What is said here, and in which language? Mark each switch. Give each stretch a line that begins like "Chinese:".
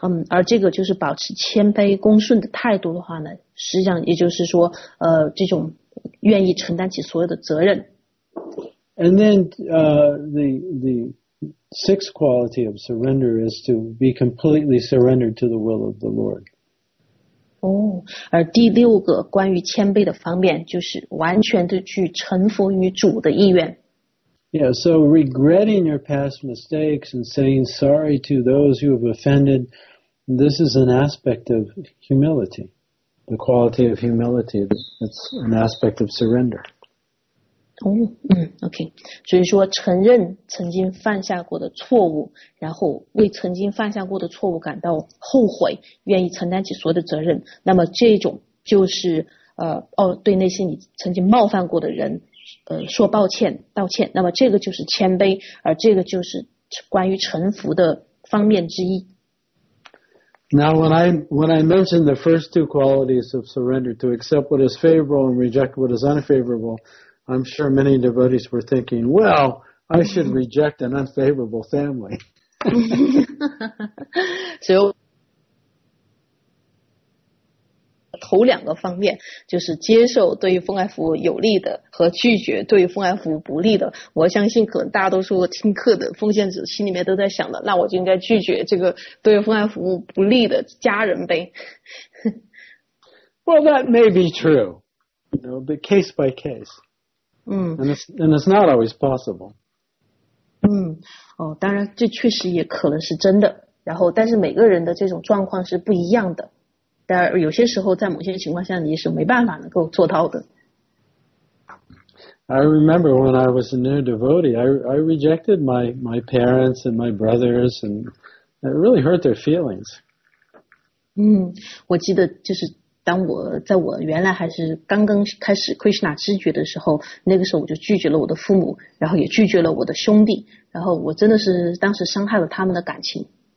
Chinese: 而这个就是保持谦卑恭顺的态度的话呢，实际上也就是说，这种愿意承担起所有的责任。
English: And then, the sixth quality of surrender is to be completely surrendered to the will of the Lord.
Chinese: 哦，而第六个关于谦卑的方面就是完全的去臣服于主的意愿。
English: Yeah, so regretting your past mistakes and saying sorry to those who have offended, this is an aspect of humility. The quality of humility, that's an aspect of surrender. Okay.
Chinese: 所以说承认曾经犯下过的错误，然后为曾经犯下过的错误感到后悔，愿意承担起所有的责任，那么这种就是对那些你曾经冒犯过的人说抱歉道歉，那么这个就是谦卑，而这个就是关于臣服的方面之一。
English: Now when I mentioned the first two qualities of surrender, to accept what is favorable and reject what is unfavorable, I'm sure many devotees were thinking, well, I should reject an unfavorable family.
Chinese: 所以头两个方面就是接受对于奉爱服务有利的和拒绝对于奉爱服务不利的，我相信可能大多数听课的奉献者心里面都在想的，那我就应该拒绝这个对于奉爱服务不利的家人呗。
English: Well, that may be true, you know, but case by case. And it's not always possible.
Chinese: 当然这确实也可能是真的，然后但是每个人的这种状况是不一样的，但有些时候在某些情况下你是没办法能够做到的。
English: I remember when I was a new devotee, I rejected my parents and my brothers, and it really hurt their feelings.
Chinese: 我记得就是当我在我原来还是刚刚开始 Krishna 知觉的时候，那个时候我就拒绝了我的父母，然后也拒绝了我的兄弟，然后我真的是当时伤害了他们的感情。